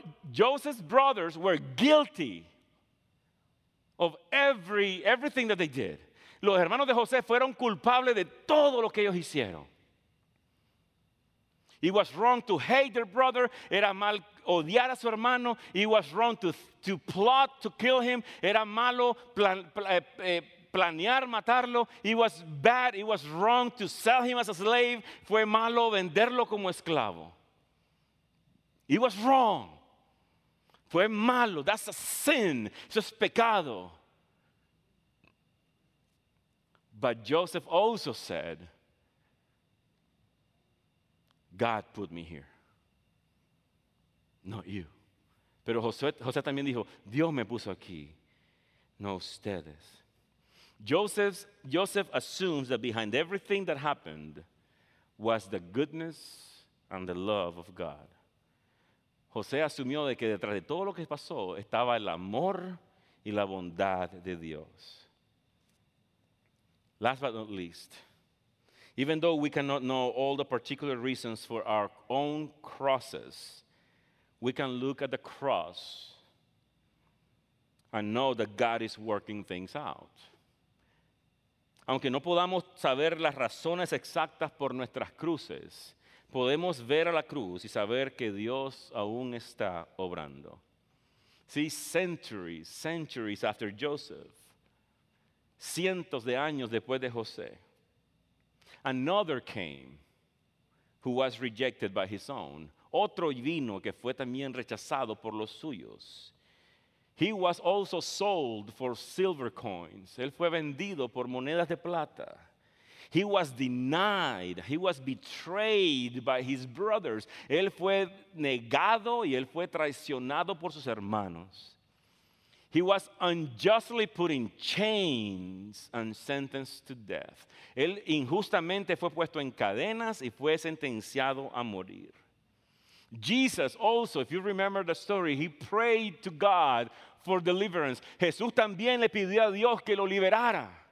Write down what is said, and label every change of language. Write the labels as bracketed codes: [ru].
[en] Joseph's brothers were guilty of everything that they did. [es] Los hermanos de José fueron culpables de todo lo que ellos hicieron. [en] It was wrong to hate their brother. [es] Era mal odiar a su hermano. [en] It was wrong to plot to kill him. [es] Era malo planear matarlo. [en] It was bad. It was wrong to sell him as a slave. [es] Fue malo venderlo como esclavo. [en] It was wrong. [es] Fue malo. [en] That's a sin. [es] Eso es pecado. [en] But Joseph also said, God put me here. Not you. [es] Pero José también dijo, Dios me puso aquí. No ustedes. [en] Joseph assumes that behind everything that happened was the goodness and the love of God. [es] José asumió de que detrás de todo lo que pasó estaba el amor y la bondad de Dios. [en] Last but not least, even though we cannot know all the particular reasons for our own crosses, we can look at the cross and know that God is working things out. [es] Aunque no podamos saber las razones exactas por nuestras cruces, podemos ver a la cruz y saber que Dios aún está obrando. [en] See, centuries after Joseph, [es] cientos de años después de José, [en] another came who was rejected by his own. [es] Otro vino que fue también rechazado por los suyos. [en] He was also sold for silver coins. [es] Él fue vendido por monedas de plata. [en] He was denied. He was betrayed by his brothers. [es] Él fue negado y él fue traicionado por sus hermanos. [en] He was unjustly put in chains and sentenced to death. [es] Él injustamente fue puesto en cadenas y fue sentenciado a morir. [en] Jesus also, if you remember the story, he prayed to God for deliverance. [es] Jesús también le pidió a Dios que lo liberara.